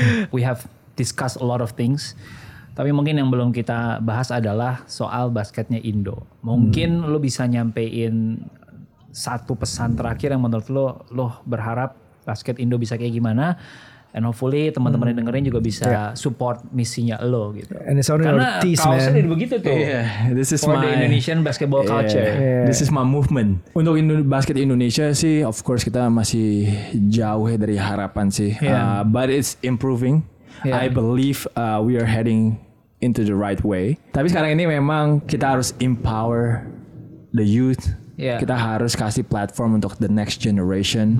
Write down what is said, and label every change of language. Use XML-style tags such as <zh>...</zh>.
<en>We have discussed a lot of things.</en> <id>Tapi mungkin yang belum kita bahas adalah soal basketnya Indo. Mungkin lo bisa nyampein satu pesan terakhir yang menurut lo berharap basket Indo bisa kayak gimana.</id> <en>And hopefully</en> <id>teman-teman yang dengerin juga bisa support misinya lo gitu.</id> <en>And it's</en> <id>karena kaosnya jadi begitu tuh.</id> <en>Yeah, this is for my, the Indonesian basketball culture. Yeah. This is my movement.</en> <id>Untuk basket Indonesia sih,</id> <en>of course</en> <id>kita masih jauh dari harapan sih.</id> <en>Yeah. But it's improving. Yeah. I believe we are heading into the right way.</en> <id>Tapi sekarang ini memang kita harus</id> <en>empower the youth. Yeah.</en> <id>Kita harus kasih platform untuk</id> <en>the next generation.</en>